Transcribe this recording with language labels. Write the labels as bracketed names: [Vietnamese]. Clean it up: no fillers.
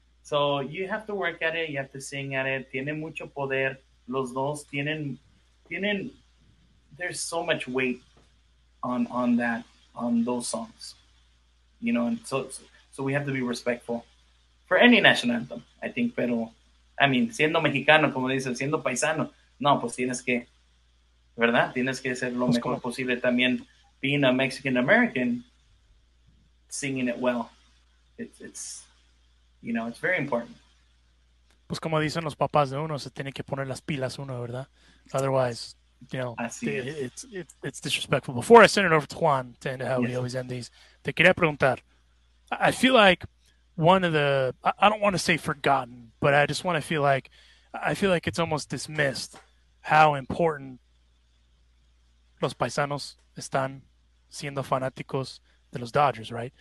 [English] So you have to work at it. You have to sing at it. [Spanish] Tiene mucho poder. Los dos tienen, [English] there's so much weight on those songs, you know, and so we have to be respectful for any national anthem, I think. [Spanish] Pero, [English] I mean, [Spanish] siendo mexicano, como dicen, siendo paisano, no, pues tienes que, ¿verdad? Tienes que ser lo mejor posible también. [English] Being a Mexican-American, singing it well, it's, you know, it's very important. [Spanish] Pues como dicen los papás de uno, se tiene que poner las pilas uno, ¿verdad? [English] Otherwise, you know, it's disrespectful. Before I send it over to Juan, to end how we always end these, [Spanish] te quería preguntar, [English] I feel like one of the, I don't want to say forgotten, but I just want to feel like, I feel like it's almost dismissed how important [Spanish] los paisanos están siendo fanáticos de los Dodgers, [English] right?